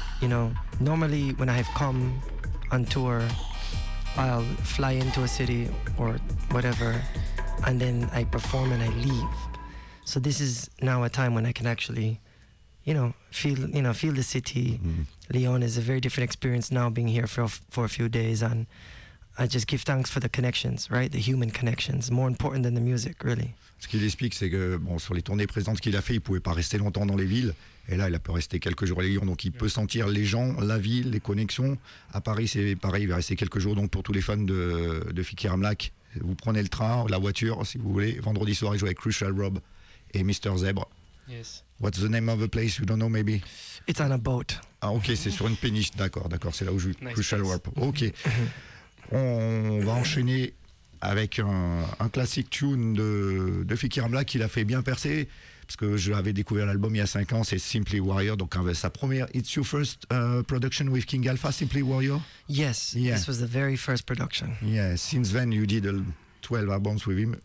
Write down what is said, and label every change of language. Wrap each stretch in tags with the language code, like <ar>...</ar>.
<en>You know, normally when I have come on tour, I'll fly into a city or whatever, and then I perform and I leave. So this is now a time when I can actually, feel the city. Mm-hmm. Lyon is a very different experience now being here for a few days, and I just give thanks for the connections, right? The human connections, more important than the music, really.</en> <fr>Ce qu'il explique, c'est que bon, sur les tournées précédentes qu'il a fait, il pouvait pas rester longtemps dans les villes. Et là, il a pu rester quelques jours à Lyon, donc il peut sentir les gens, la ville, les connexions. À Paris, c'est pareil, il va rester quelques jours. Donc pour tous les fans de Fikir Mlaq, vous prenez le train, la voiture, si vous voulez. Vendredi soir, il joue avec Crucial Rob et Mr. Zebre.</fr> <en>Yes. What's the name of the place? You don't know, maybe? It's on a boat.</en> <fr>Ah, ok, c'est sur une péniche. D'accord. C'est là où joue Crucial Rob. Ok. On va enchaîner avec un classique tune de Fikir Mlaq qu'il a fait bien percer. Parce que j'avais découvert l'album il y a 5 ans, c'est Simply Warrior. Donc sa première,</fr> <en>it's your first production with King Alpha, Simply Warrior? Yes, yeah. This was the very first production. Yeah, since then you did 12 albums with him.</en>